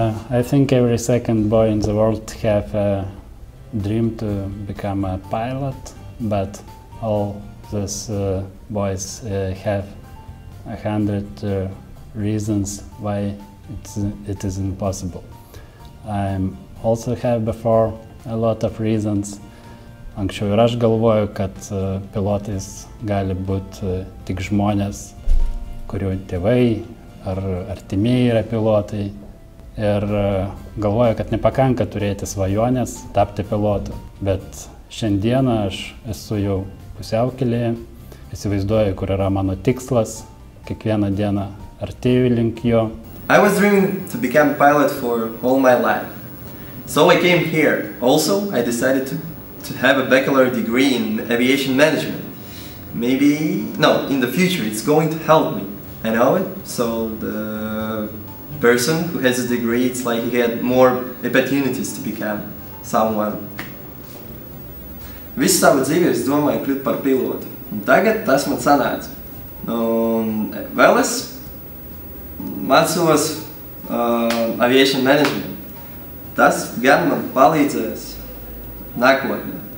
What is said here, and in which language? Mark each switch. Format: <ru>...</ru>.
<en>I think every second boy in the world have a dream to become a pilot, but all these boys have 100 reasons why it is impossible. I also have before a lot of reasons.</en> <lt>Anksčiau ir aš galvoju, kad pilotais gali būti tik žmonės, kurių tėvai ar artimieji yra pilotai. Ir galvoju, kad nepakanka turėti svajonės tapti pilotu. Bet šiandieną aš esu jau pusiaukelėje, įsivaizduoju, kur yra mano tikslas, kiekvieną dieną artėju link jo.</lt> <en>I was dreaming to become pilot for all my life. So I came here. Also, I decided to have a bachelor degree in aviation management. Maybe, no, in the future it's going to help me. I know it, so the person who has a degree, it's like he had more opportunities to become someone.</en> <lv>Visu savu dzīvi es domāju kļūt par pilotu. Un tagad tas man sanāca. Un vēl es mācos aviation management. Tas gan man palīdzēs nākotnē.</lv>